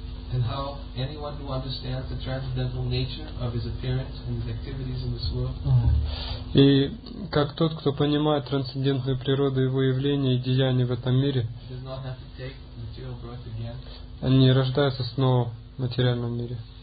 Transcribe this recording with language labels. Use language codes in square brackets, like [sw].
[en] And how anyone who understands the transcendental nature of his appearance and his activities in this world. [ru] И как тот, кто понимает трансцендентную природу его явления и деяний в этом мире, [en] does not have to take material birth again. [ru] Они рождаются снова в материальном мире.